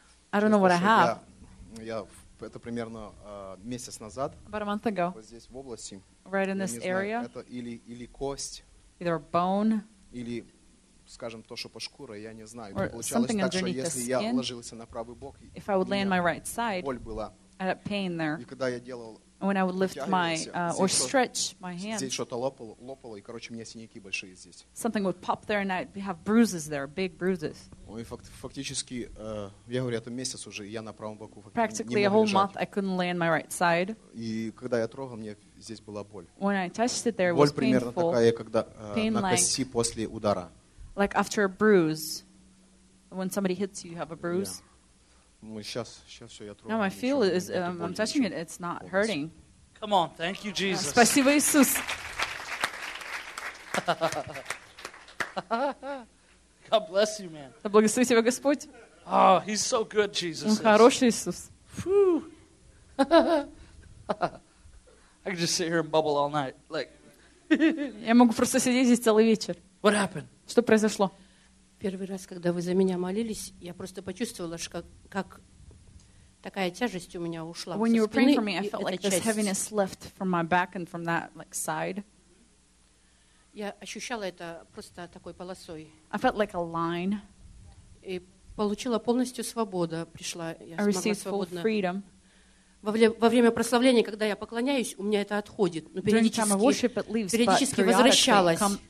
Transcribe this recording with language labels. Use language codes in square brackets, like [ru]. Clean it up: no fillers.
[en] I don't know what I have. [ru] Это примерно месяц назад. [en] About a month ago. [ru] Вот здесь, в области. [en] Right in this area. [ru] Это или кость. [en] Either a bone. [ru] Или, скажем, то, что по шкуре, я не знаю. Получалось так, что если я ложился на правый бок, [en] if I would lay on my right side, [ru] боль была. [en] I had pain there. [ru] И когда я делал, [en] when I would lift my or stretch my hand, [ru] здесь что-то лопало, и короче, у меня синяки большие здесь. [en] Something would pop there, and I'd have bruises there, big bruises. [ru] Ой, фактически, я говорю, это месяц уже, я на правом боку. [en] Practically a whole month, I couldn't lay on my right side. [ru] И когда я трогал, мне здесь была боль. [en] When I touched it, there [ru] боль примерно такая, когда на кости после удара. [en] Like after a bruise, when somebody hits you, you have a bruise. Now I feel it is, I'm touching it. It's not hurting. Come on, thank you, Jesus. [ru] Спасибо, Иисус. [en] God bless you, man. [ru] Да благослови тебя Господь. [en] Oh, he's so good, Jesus. [ru] Он хороший, Иисус. Whew. [en] I could just sit here and bubble all night, like. [ru] Я могу просто сидеть здесь целый вечер. [en] What happened? [ru] Что произошло? Первый раз, когда вы за меня молились, я просто почувствовала, как такая тяжесть у меня ушла. [en] When you were praying for me, I felt like this heaviness left from my back and from that like side. [ru] Я ощущала это просто такой полосой. [en] I felt like a line. [ru] И получила полностью свобода, пришла, я смогла свободно. [en] I received full freedom. [ru] Во время прославления, когда я поклоняюсь, у меня это отходит, но периодически возвращалось.